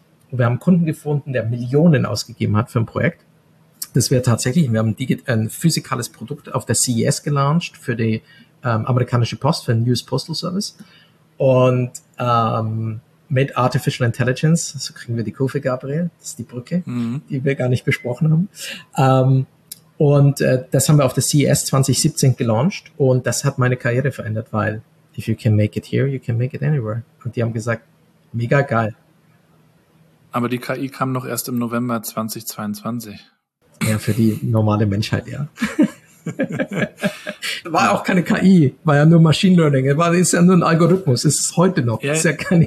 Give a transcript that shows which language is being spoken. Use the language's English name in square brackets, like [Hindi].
[German] Und wir haben einen Kunden gefunden, der Millionen ausgegeben hat für ein Projekt. Das wäre tatsächlich, wir haben ein physikales Produkt auf der CES gelauncht für die amerikanische Post, für den US Postal Service. Und mit Artificial Intelligence, so kriegen wir die Kurve, Gabriel, das ist die Brücke, die wir gar nicht besprochen haben. Das haben wir auf der CES 2017 gelauncht und das hat meine Karriere verändert, weil [English] if you can make it here, you can make it anywhere. [German] Und die haben gesagt, mega geil. Aber die KI kam noch erst im November 2022. Ja, für die normale Menschheit, ja. War auch keine KI, war ja nur Machine Learning, ist ja nur ein Algorithmus, ist es heute noch, ist ja keine